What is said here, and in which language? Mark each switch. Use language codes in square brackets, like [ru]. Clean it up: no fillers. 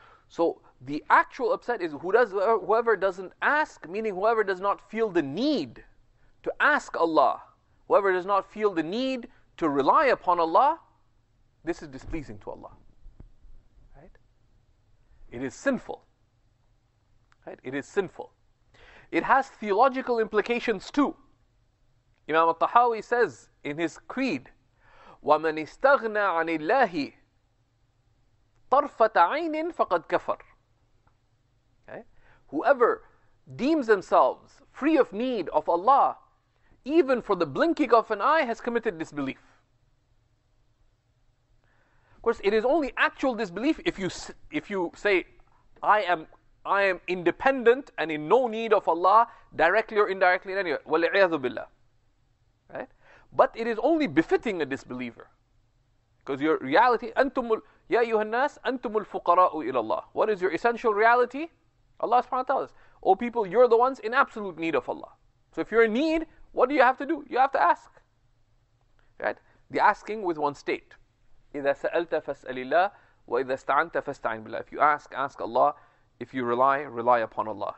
[en] So the actual upset is whoever doesn't ask, meaning whoever does not feel the need to ask Allah, whoever does not feel the need to rely upon Allah, this is displeasing to Allah. Right? It is sinful. Right? It is sinful. It has theological implications too. Imam al-Tahawi says in his creed, [ar] وَمَنْ اِسْتَغْنَى عَنِ اللَّهِ طَرْفَةَ عَيْنٍ فَقَدْ كَفَرٍ. [en] Okay? Whoever deems themselves free of need of Allah, even for the blinking of an eye, has committed disbelief. Of course, it is only actual disbelief if you say, I am independent and in no need of Allah, directly or indirectly in any way. [ar] وَالْعِيَذُ بِاللَّهِ. [en] Right? But it is only befitting a disbeliever. Because your reality, [ar] أَنْتُمُ يَا أَيُّهَا النَّاسِ أَنْتُمُ الْفُقَرَاءُ إِلَى اللَّهِ. [en] What is your essential reality? Allah subhanahu wa ta'ala says, O people, you're the ones in absolute need of Allah. So if you're in need, what do you have to do? You have to ask. Right? The asking with one state. [ar] إِذَا سَأَلْتَ فَاسْأَلِ اللَّهِ وَإِذَا اسْتَعَنْتَ فَاسْتَعِنْ بِاللَّهِ. [en] If you ask, ask Allah. If you rely, rely upon Allah.